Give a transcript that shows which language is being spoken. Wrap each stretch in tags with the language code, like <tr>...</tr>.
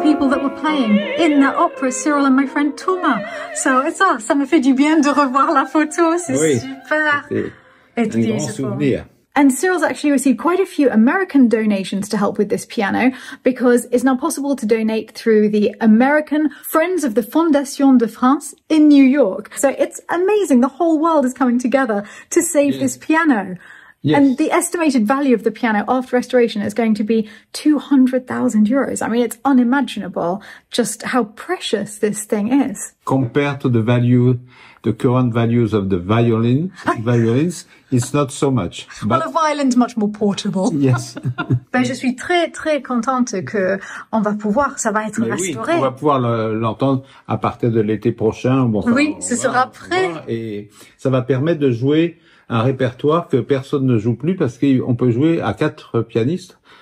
<en>In the opera, Cyril and my friend Thomas. So it's all.</en> <fr>Ça me fait du bien de revoir la photo. C'est oui, super.</fr> <en>It's</en> <fr>un</fr> <en>beautiful.</en> <fr>Grand souvenir.</fr> <en>And Cyril's actually received quite a few American donations to help with this piano, because it's now possible to donate through the American Friends of the Fondation de France in New York. So it's amazing. The whole world is coming together to save this piano. Yes. And the estimated value of the piano after restoration is going to be 200,000 euros. I mean, it's unimaginable just how precious this thing is. Compared to the value, the current values of the violins, it's not so much. But well, a violin's much more portable. Yes.</en> <fr>Ben, je suis très, très contente que on va pouvoir, ça va être Mais restauré. Oui, on va pouvoir l'entendre à partir de l'été prochain. Bon, enfin, oui, ce sera prêt. Et ça va permettre de jouer un répertoire que personne ne joue plus, parce qu'on peut jouer à quatre pianistes</fr>